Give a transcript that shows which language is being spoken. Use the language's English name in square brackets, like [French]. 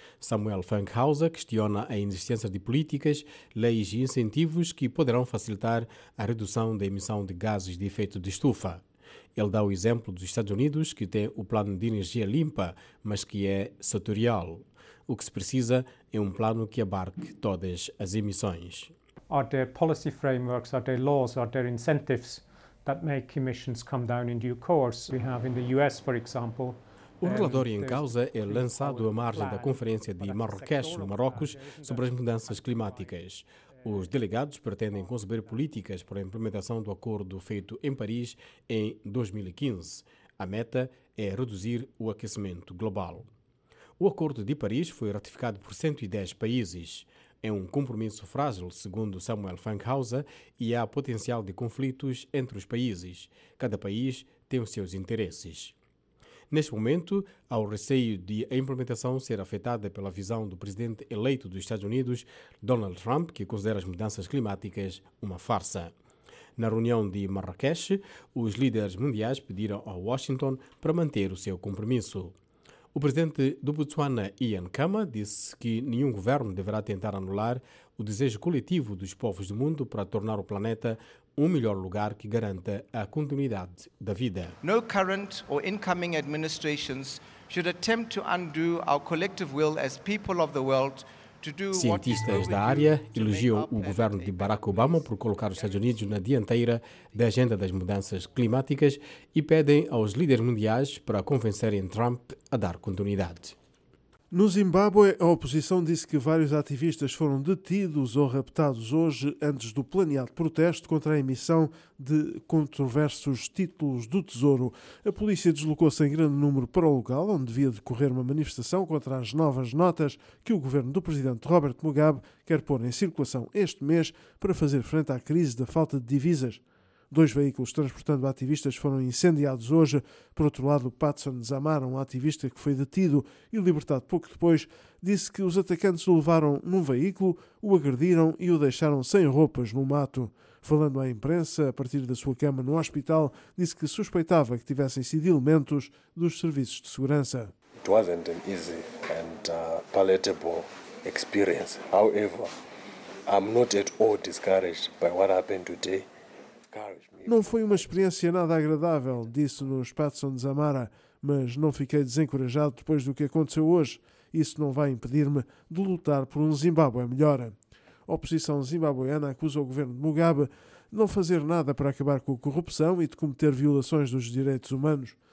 [Portuguese] Samuel Funkhauser questiona a existência de políticas, leis e incentivos que poderão facilitar a redução da emissão de gases de efeito de estufa. Ele dá o exemplo dos Estados Unidos, que tem o plano de energia limpa, mas que é setorial. O que se precisa é um plano que abarque todas as emissões. [English] Are there policy frameworks, are there laws, are there incentives that make emissions come down in due course? We have in the US, for example. [Portuguese] O relatório em causa é lançado à margem da Conferência de Marrakech, no Marrocos, sobre as mudanças climáticas. Os delegados pretendem conceber políticas para a implementação do acordo feito em Paris em 2015. A meta é reduzir o aquecimento global. O acordo de Paris foi ratificado por 110 países. É um compromisso frágil, segundo Samuel Funkhauser, e há potencial de conflitos entre os países. Cada país tem os seus interesses. Neste momento, há o receio de a implementação ser afetada pela visão do presidente eleito dos Estados Unidos, Donald Trump, que considera as mudanças climáticas uma farsa. Na reunião de Marrakech, os líderes mundiais pediram a Washington para manter o seu compromisso. O presidente do Botswana, Ian Khama, disse que nenhum governo deverá tentar anular o desejo coletivo dos povos do mundo para tornar o planeta um melhor lugar que garanta a continuidade da vida. [English] No current or incoming administrations should attempt to undo our collective will as people of the world. [Portuguese] Cientistas da área elogiam o governo de Barack Obama por colocar os Estados Unidos na dianteira da agenda das mudanças climáticas e pedem aos líderes mundiais para convencerem Trump a dar continuidade. No Zimbábue, a oposição disse que vários ativistas foram detidos ou raptados hoje antes do planeado protesto contra a emissão de controversos títulos do Tesouro. A polícia deslocou-se em grande número para o local, onde devia decorrer uma manifestação contra as novas notas que o governo do presidente Robert Mugabe quer pôr em circulação este mês para fazer frente à crise da falta de divisas. Dois veículos transportando ativistas foram incendiados hoje. Por outro lado, Patson Zamara, um ativista que foi detido e libertado pouco depois, disse que os atacantes o levaram num veículo, o agrediram e o deixaram sem roupas no mato. Falando à imprensa, a partir da sua cama no hospital, disse que suspeitava que tivessem sido elementos dos serviços de segurança. [English] It wasn't an easy and palatable experience. However, I'm not at all discouraged by what happened today. [Portuguese] Não foi uma experiência nada agradável, disse-nos Patson Zamara, mas não fiquei desencorajado depois do que aconteceu hoje. Isso não vai impedir-me de lutar por um Zimbábue melhor. A oposição zimbabuiana acusa o governo de Mugabe de não fazer nada para acabar com a corrupção e de cometer violações dos direitos humanos.